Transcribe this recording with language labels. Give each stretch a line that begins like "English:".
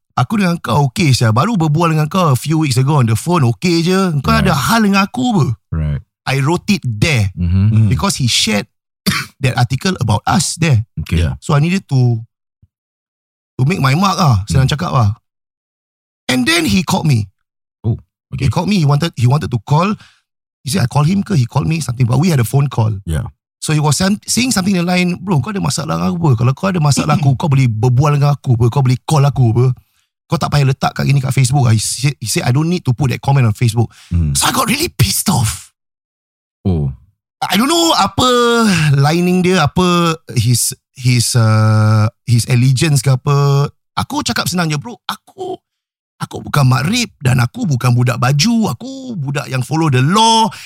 Malay: Aku dengan kau okay saja. Baru berbual dengan kau
English: a few weeks ago on the phone,
Malay: okay je. Kau right. ada hal dengan aku apa?
English: Right. I wrote it there. Mm-hmm. Because he shared that article about us there. Okay. Yeah. So I needed to make my mark lah.
Malay: Senang cakap lah.
English: And then he called me. Oh, okay. He called me. He wanted to call. He said, I call him ke? He called me something. But we had a phone call. Yeah. So he was saying something in the line, bro,
Malay: kau ada masalah dengan aku apa? Kalau kau ada masalah aku, kau boleh berbual dengan aku apa? Kau boleh call aku apa? Kau tak payah letak kat gini kat Facebook.
English: He said, I don't need to put that comment on Facebook. So I got really pissed off. Oh. I don't know
Malay: apa lining dia, apa
English: his allegiance ke apa.
Malay: Aku cakap senang je, bro. Aku bukan makrib dan aku bukan budak baju. Aku budak yang
English: follow the law.